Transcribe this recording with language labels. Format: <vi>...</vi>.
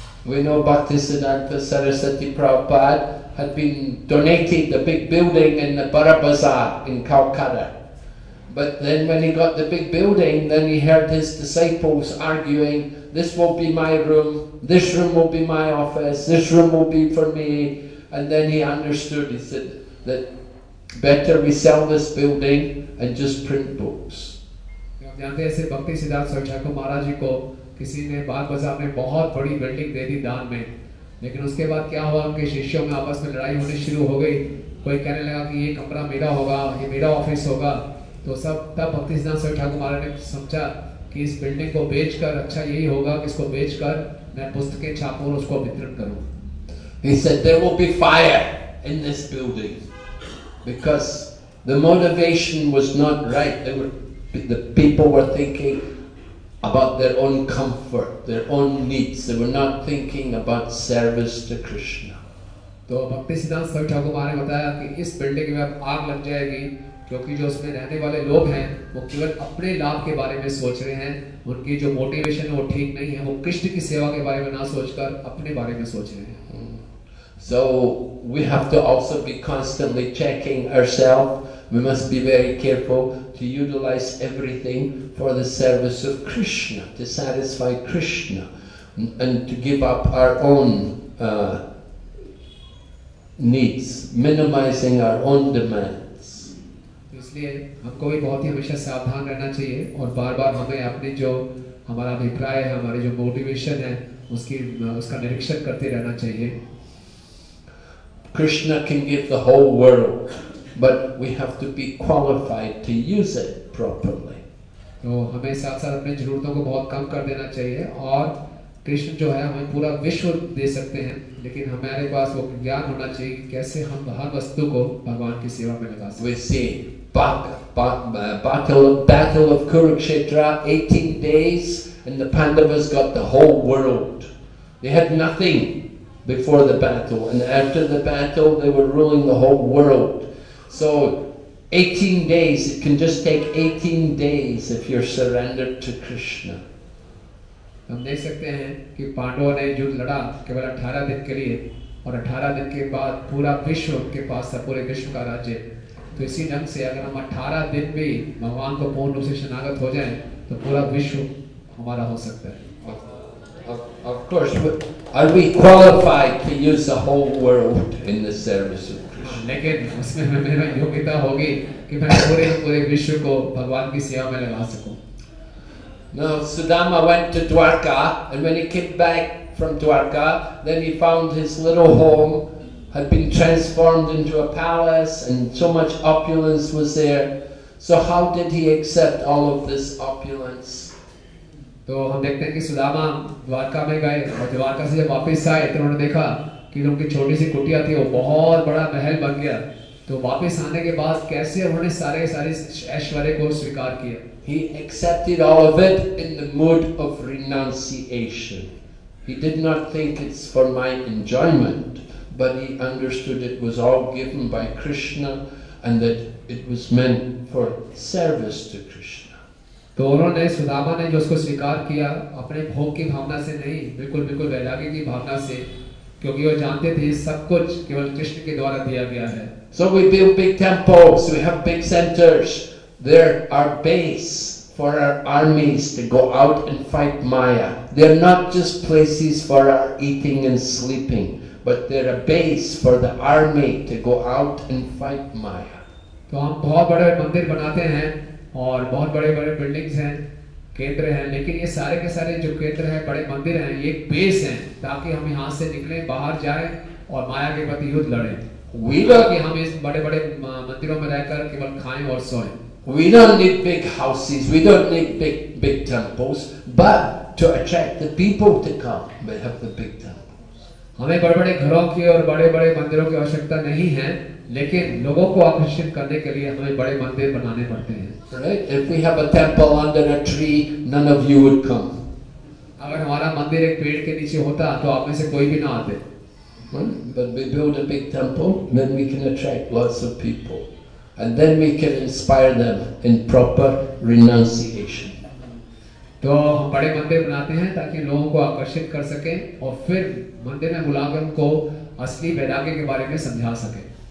<en>We know Bhaktisiddhanta Saraswati Prabhupada had been donated the big building in the Bara Bazaar in Calcutta, but then when he got the big building, then he heard his disciples arguing, "This won't be my room. This room will be my office. This room will be for me." And then he understood. He said that better we sell this building and just print books.</en> <hi>जानते हैं ऐसे भक्ति Siddharth sir Thakur महाराज जी को किसी ने बाग बाजार में बहुत बड़ी बिल्डिंग दे दी दान में लेकिन उसके बाद क्या हुआ उनके शिष्यों में आपस में लड़ाई होने शुरू हो गई कोई कहने लगा कि ये कमरा मेरा होगा ये मेरा ऑफिस होगा तो सब तब भक्ति सिद्धार्थ सर ठाकुर महाराज ने समझा कि इस बिल्डिंग को बेच कर अच्छा यही होगा कि इसको बेच कर मैं पुस्तकें छापू और उसको वितरण करूँ</hi> <en>He said there will be fire in this building because the motivation was not right. The people were thinking about their own comfort, their own needs. They were not thinking about service to Krishna.</en> <hi>तो भक्ति सिद्धांत sir Thakur महाराज ने बताया कि इस building में आग लग जाएगी क्योंकि जो उसमें रहने वाले लोग हैं वो केवल अपने लाभ के बारे में सोच रहे हैं उनकी जो मोटिवेशन है वो ठीक नहीं है वो कृष्ण की सेवा के बारे में ना सोचकर अपने बारे में सोच रहे हैं</hi> <en>So we have to also be constantly checking ourselves. We must be very careful to utilize everything for the service of Krishna, to satisfy Krishna, and to give up our own needs, minimizing our own demands.</en> <hi>इसलिए हमको भी बहुत ही हमेशा सावधान रहना चाहिए और बार-बार हमें अपने जो हमारा अभिप्राय है, हमारे जो motivation है, उसका निरीक्षण करते रहना चाहिए.</hi> <en>Krishna can give the whole world, but we have to be qualified to use it properly.</en> <hi>तो हमें साथ-साथ अपनी जरूरतों को बहुत कम कर देना चाहिए और कृष्ण जो है हमें पूरा विश्व दे सकते हैं लेकिन हमारे पास वो ज्ञान होना चाहिए कि कैसे हम हर वस्तु को भगवान की सेवा में लगा सकें।</hi> <en>We see battle of Kurukshetra, 18 days, and the Pandavas got the whole world. They had nothing. Before the battle and after the battle, they were ruling the whole world. So, 18 days, it can just take 18 days if you're surrendered to Krishna.</en> <hi>हम देख सकते हैं कि पांडवों ने युद्ध लड़ा केवल 18 दिन के लिए और 18 दिन के बाद पूरा विश्व उनके पास था पूरे विश्व का राज्य तो इसी ढंग से अगर हम 18 दिन भी भगवान को पूर्ण रूप से शरणागत हो जाएं तो पूरा विश्व हमारा हो सकता है</hi> <en>Of course, but are we qualified to use the whole world in the service of Krishna? Now, Sudama went to Dwarka, and when he came back from Dwarka, then he found his little home had been transformed into a palace, and so much opulence was there. So how did he accept all of this opulence?</en> <hi>तो हम देखते हैं कि सुदामा द्वारका में गए और द्वारका से जब वापस आए तो उन्होंने देखा कि उनकी छोटी सी कुटिया थी वो बहुत बड़ा महल बन गया तो वापस आने के बाद कैसे उन्होंने सारे सारे ऐश्वर्य को स्वीकार किया</hi> <en>He accepted all of it in the mood of renunciation. He did not think it's for my enjoyment, but he understood it was all given by Krishna and that it was meant for service to Krishna.</en> <hi>तो उन्होंने सुदामा ने जो उसको स्वीकार किया अपने भोग की भावना से नहीं बिल्कुल बिल्कुल वैराग्य की भावना से क्योंकि वो जानते थे सब कुछ केवल कृष्ण के द्वारा दिया गया है</hi> <en>So we build big temples, we have big centers. They're our base for our armies to go out and fight Maya. They're not just places for our eating and sleeping, but they're a base for the army to go out and fight Maya.</en> <hi>तो हम बहुत बड़े मंदिर बनाते हैं और बहुत बड़े बड़े बिल्डिंग्स हैं केंद्र हैं लेकिन ये सारे के सारे जो केंद्र हैं बड़े मंदिर हैं ये एक बेस हैं ताकि हम यहाँ से निकले बाहर जाए और माया के प्रति युद्ध लड़े ताकि हम इस बड़े बड़े मंदिरों में रहकर केवल खाएं और सोएं</hi> <en>We don't need big houses, we don't need big, big temples, but to attract the people to come, we have the big temples.</en> <hi>हमें बड़े बड़े घरों की और बड़े बड़े मंदिरों की आवश्यकता नहीं है लेकिन लोगों को आकर्षित करने के लिए हमें बड़े मंदिर बनाने पड़ते हैं</hi> <en>Right? If we have a temple under a tree, none of you would come.</en> <hi>अगर हमारा मंदिर एक पेड़ के नीचे होता तो आप में से कोई भी ना आते</hi> <en>But we build a big temple, then we can attract lots of people. And then we can inspire them in proper renunciation.</en> <hi>तो हम बड़े मंदिर बनाते हैं ताकि लोगों को आकर्षित कर सकें और फिर मंदिर में मुलाकात को असली वैराग्य के बारे में समझा सकें</hi>